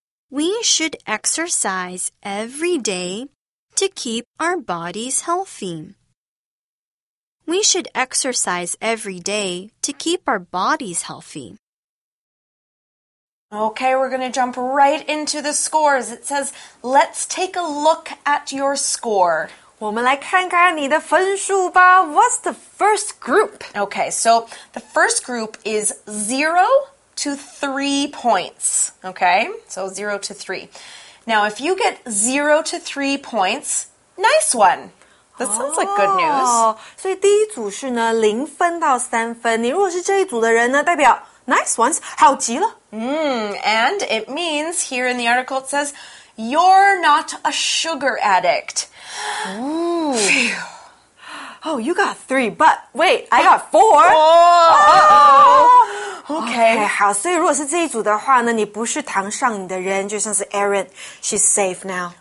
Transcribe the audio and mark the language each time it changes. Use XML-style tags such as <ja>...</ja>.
<en>We should exercise every day to keep our bodies healthy. We should exercise every day to keep our bodies healthy. Okay, we're going to jump right into the scores. It says, let's take a look at your score.</en> <zh>我们来看看你的分数吧。</zh> <en>What's the first group? Okay, so the first group is 0 to 3 points. Okay, so 0 to 3. Now, if you get 0 to 3 points, nice one. That sounds like good news.</en> <zh>所以第一组是呢零分到三分。你如果是这一组的人呢代表</zh> <en>nice ones,</en> <zh>好极了。</zh> <en>And it means, here in the article it says, you're not a sugar addict. Ooh. Oh, you got 3, but wait, I got 4. Okay.</en> <zh>Okay, 好，所以如果是这一组的话呢你不是堂上你的人就像是 Erin,</zh> <en>she's safe now.</en>